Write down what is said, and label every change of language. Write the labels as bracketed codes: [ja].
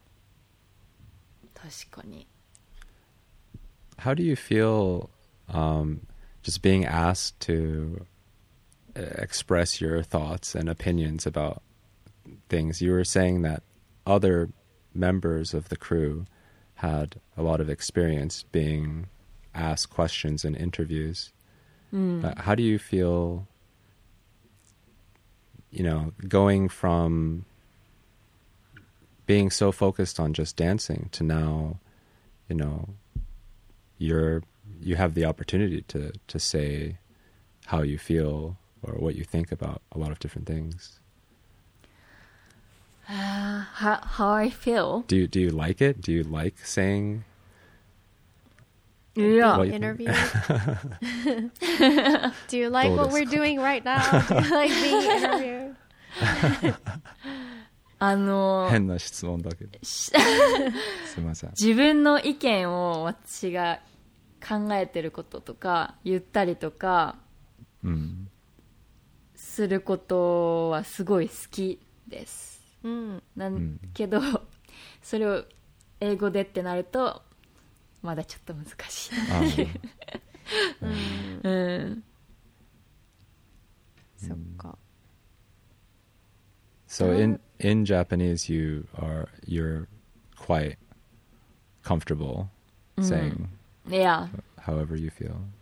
[ja] 生理中だったらめんどくさそうだなとかそういうのもあるし。なんか私、そういうの調べたことあるな。忘れちゃいましたけど。そう、なんか宇宙飛行士とかだと多分なんかタンポン持ってってとか、なんかそういう話を聞いたことあるけど。民間の人だとね、どうなるんだろう。確かに。 [en] How do you feel just being asked to express your thoughts and opinions about things? You were saying that other members of the crew had a lot of experience being asked questions in interviews. But how do you feel, you know, going from being so focused on just dancing to now, you know, you have the opportunity to say how you feel or what you think about a lot of different things. How I feel? Do you like it? Do you like saying? Yeah. Interview. Do you like what we're doing right now? Do you like being interviewed? [ja] あの、変な質問だけど。すみません。自分の意見を私が考えてることとか言ったりとかすることはすごい好きです。なんけど、それを英語でってなるとまだちょっと難しい。そっか。 [en] So in Japanese you're quite comfortable saying however you feel.